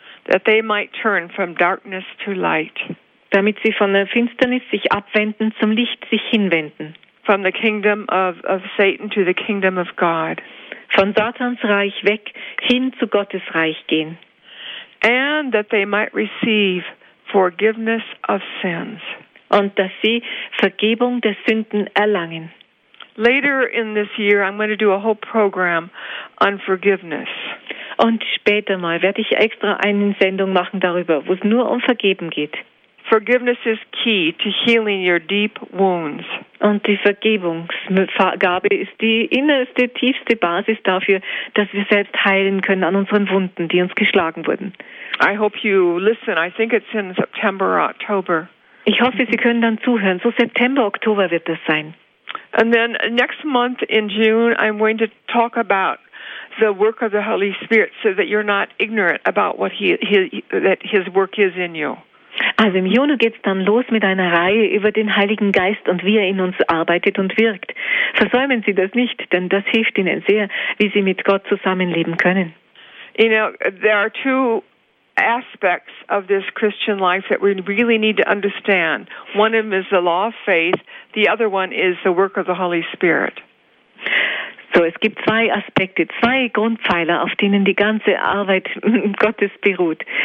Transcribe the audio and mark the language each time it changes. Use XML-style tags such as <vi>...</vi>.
<en>That they might turn from darkness to light.</en> <de>Damit sie von der Finsternis sich abwenden, zum Licht sich hinwenden.</de> <en>From the kingdom of Satan to the kingdom of God.</en> <de>Von Satans Reich weg hin zu Gottes Reich gehen.</de> <en>And that they might receive forgiveness of sins.</en> <de>Und dass sie Vergebung der Sünden erlangen.</de> <en>Later in this year I'm going to do a whole program on forgiveness.</en> <de>Und später mal werde ich extra eine Sendung machen darüber, wo es nur um Vergeben geht.</de> <en>Forgiveness is key to healing your deep wounds.</en> <de>Und die Vergebungsgabe ist die innerste, tiefste Basis dafür, dass wir selbst heilen können an unseren Wunden, die uns geschlagen wurden.</de> <en>I hope you listen. I think it's in September or October.</en> <de>Ich hoffe, Sie können dann zuhören. So September, Oktober wird das sein.</de> <en>And then next month in June, I'm going to talk about the work of the Holy Spirit, so that you're not ignorant about what that His work is in you.</en> <de>Also im Juni geht's dann los mit einer Reihe über den Heiligen Geist und wie er in uns arbeitet und wirkt. Versäumen Sie das nicht, denn das hilft Ihnen sehr, wie Sie mit Gott zusammenleben können.</de> <en>You know, there are two aspects of this Christian life that we really need to understand. One of them is the law of faith, the other one is the work of the Holy Spirit.</en> <de>So, es gibt zwei Aspekte, zwei Grundpfeiler, auf denen die ganze Arbeit Gottes beruht.</de>